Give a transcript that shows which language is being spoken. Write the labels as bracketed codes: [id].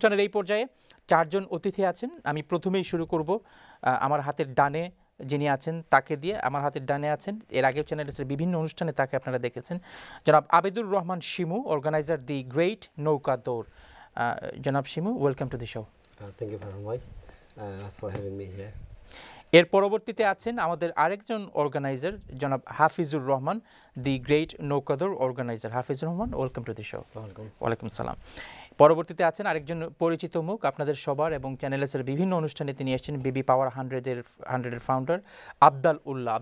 [bn] অনুষ্ঠানের এই পর্যায়ে 4 জন অতিথি আছেন। আমি প্রথমেই শুরু করব আমার হাতের ডানে যিনি আছেন তাকে দিয়ে। আমার হাতের ডানে আছেন, এর আগেও চ্যানেলের বিভিন্ন অনুষ্ঠানে তাকে আপনারা দেখেছেন, জনাব আবিদুর রহমান শিমু, অর্গানাইজার দি গ্রেট নৌকা দৌড়। জনাব Shimu, [en] Welcome to the show. Thank you very much for having me here. [bn] এর পরবর্তীতে আছেন আমাদের আরেকজন অর্গানাইজার, জনাব হাফিজুর রহমান, দি great নৌকাদৌড় organiser. Hafizur Rahman, [en] Welcome to the show. [bn] ওয়ালাইকুম সালাম। পরবর্তীতে আছেন আরেকজন পরিচিত মুখ আপনাদের সবার এবং চ্যানেল এসের বিভিন্ন অনুষ্ঠানে, তিনি এসেছেন বিবি পাওয়ার 100-এর ফাউন্ডার আব্দাল উল্লাহ।